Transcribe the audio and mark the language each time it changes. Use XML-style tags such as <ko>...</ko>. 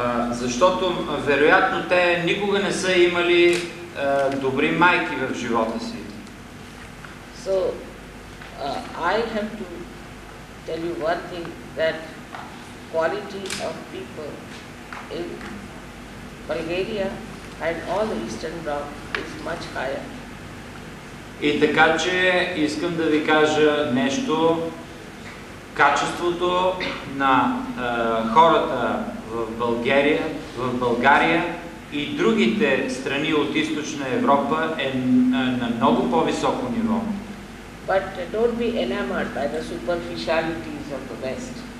<bg>Защото вероятно те никога не са имали добри майки в живота си.</bg> <en>So I have to tell you one thing, that quality of people in Bulgaria and all the Eastern Bloc is much higher.</en> <bg>И така, че искам да ви кажа нещо. Качеството на хората в България, в България и другите страни от Източна Европа е на много по-високо ниво.</bg> <en>But don't be enamored by the superficialities of the West.</en>